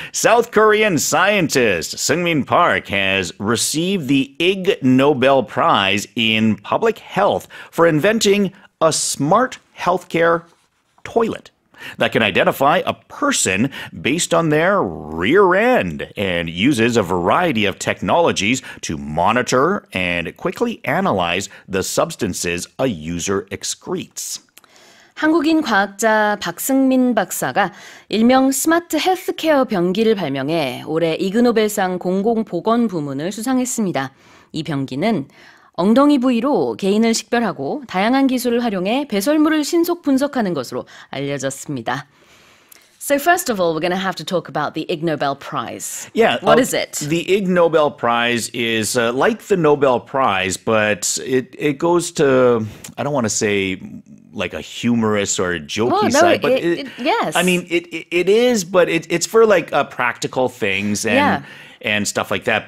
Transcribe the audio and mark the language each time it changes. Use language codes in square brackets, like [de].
[en] South Korean scientist Seung-min Park has received the Ig Nobel Prize in Public Health for inventing a smart healthcare toilet that can identify a person based on their rear end and uses a variety of technologies to monitor and quickly analyze the substances a user excretes. [ko] 한국인 과학자 박승민 박사가 일명 스마트 헬스케어 병기를 발명해 올해 이그노벨상 공공보건 부문을 수상했습니다. 이 병기는 엉덩이 부위로 개인을 식별하고 다양한 기술을 활용해 배설물을 신속 분석하는 것으로 알려졌습니다. [en] So first of all, we're going to have to talk about the Ig Nobel Prize. Yeah. What is it? The Ig Nobel Prize is like the Nobel Prize, but it goes to, I don't want to say like a humorous or a jokey side, but yes. I mean, it is, but it's for like practical things. And, yeah. And stuff like that.